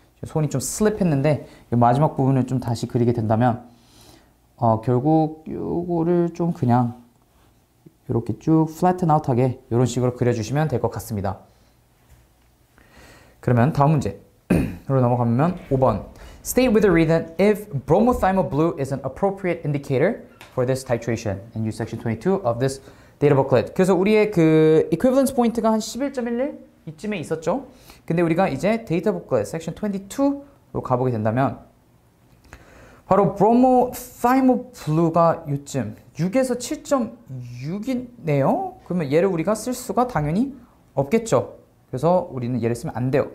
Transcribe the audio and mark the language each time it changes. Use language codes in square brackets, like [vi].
[ko] 손이 좀 슬립했는데 마지막 부분을 좀 다시 그리게 된다면 결국 요거를 좀 그냥 이렇게 쭉 플랫 아웃하게 이런 식으로 그려주시면 될것 같습니다. 그러면 다음 문제로 넘어가면 5번. [en] State with a reason if bromothymol blue is an appropriate indicator for this titration and use section 22 of this data booklet. [ko] 그래서 우리의 그 equivalence point가 한 11.11 이쯤에 있었죠? 근데 우리가 이제 데이터 북클의 섹션 22로 가보게 된다면 바로 브로모사이모블루가 요쯤 6에서 7.6이네요. 그러면 얘를 우리가 쓸 수가 당연히 없겠죠. 그래서 우리는 얘를 쓰면 안 돼요.